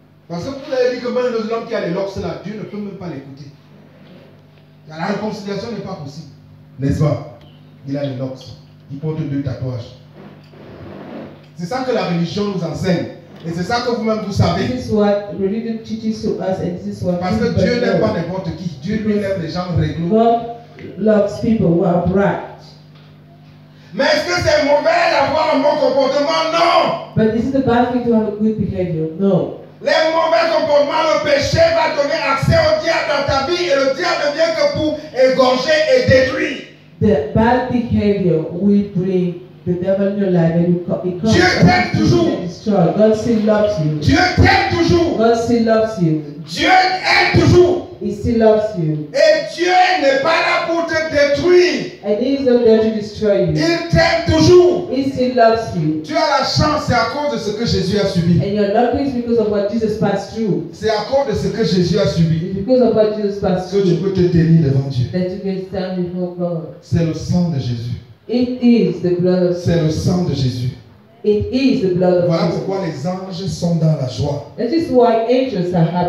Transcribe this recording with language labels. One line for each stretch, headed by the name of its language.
French: Non. Parce que vous avez dit que même les hommes qui ont les locks là, Dieu ne peut même pas l'écouter. La réconciliation n'est pas possible. N'est-ce pas? Il a les locks. Il porte deux tatouages. C'est ça que la religion nous enseigne. Et c'est ça que vous-même vous savez.
English: This is what religion teaches to us and this is what
French: parce que Dieu n'aime pas n'importe qui. Dieu lui aime les gens réglos.
English: God loves people who are bright.
French: Mais est-ce que c'est mauvais d'avoir un bon comportement? Non!
English: But is it a bad thing to have a good behavior? No.
French: Les mauvais comportements, le péché va donner accès au diable dans ta vie et le diable ne vient que pour égorger et détruire.
English: The bad behavior will bring the devil in your life and it comes.
French: Dieu t'aime toujours.
English: God still loves you.
French: Dieu t'aime toujours.
English: God still loves you.
French: Dieu aime toujours.
English: He still loves you.
French: Et Dieu n'est pas là pour te détruire.
English: And he is not there to destroy you.
French: Il t'aime toujours.
English: He still loves you.
French: Tu as la chance, c'est à cause de ce que Jésus a subi.
English: And your lucky is because of what Jesus passed through.
French: C'est à cause de ce que Jésus a subi.
English: It's because of what Jesus passed through.
French: Que tu peux te tenir devant Dieu.
English: That you can stand before God.
French: C'est le sang de Jésus.
English: It is the blood of.
French: C'est le sang de Jésus.
English: It is the blood of
French: voilà Jesus. Pourquoi les anges sont dans la joie.
English: That is why angels are happy.